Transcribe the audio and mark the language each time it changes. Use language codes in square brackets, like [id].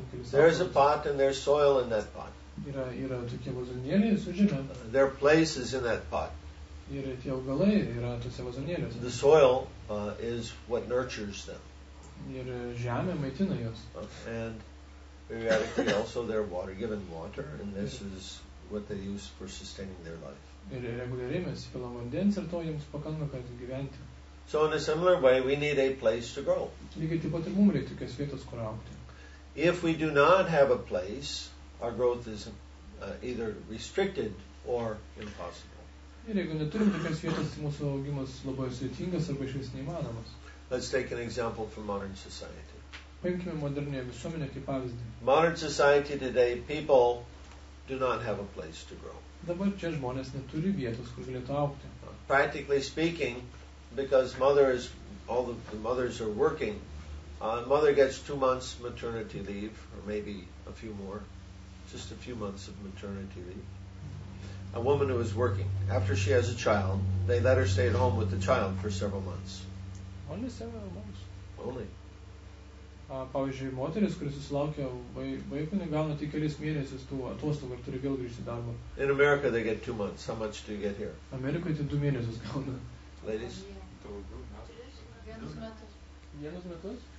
[en] There's a pot and there's soil in that pot. [lt] Yra tokie vazonėliai su žeme. [en] There are places in that pot. [lt] Ir tie augalai yra tose vazonėliuose. [en] The soil is what nurtures them. [lt] Ir žemė maitina juos. [en] And periodically also they're water, given water, and this is what they use for sustaining their life. [lt] Ir reguliariai mes pilam vandens ir to jiems pakanka, kad gyventi. [en] So in a similar way, we need a place to grow. [lt] Lygiai taip pat ir mums reikia vietos, kur augti. [en] If we do not have a place, our growth is either restricted or impossible. [lt] Ir jeigu neturim tokios vietos, mūsų augimas labai sudėtingas arba išvis neįmanomas. [en] Let's take an example from modern society. [lt] Paimkime modernią visuomenę kaip pavyzdį. [en] Modern society today, people do not have a place to grow. [lt] Dabar čia žmonės neturi vietos, kur galėtų augti. [en] Practically speaking, because mothers, all the mothers are working, mother gets 2 months maternity leave, or maybe a few more, just a few months of maternity leave. A woman who is working, after she has a child, they let her stay at home with the child for several months. Only 7 months? Only. [lt] Pavyzdžiui, moteris, kuris susilaukia vaikų, negauna tik kelis mėnesius tų atostogų ir turi vėl grįžti darbą. [en] In America they get 2 months. How much do you get here? [lt] Amerikoje tai 2 mėnesius gauna. [en] Ladies? [lt] Vienus metus.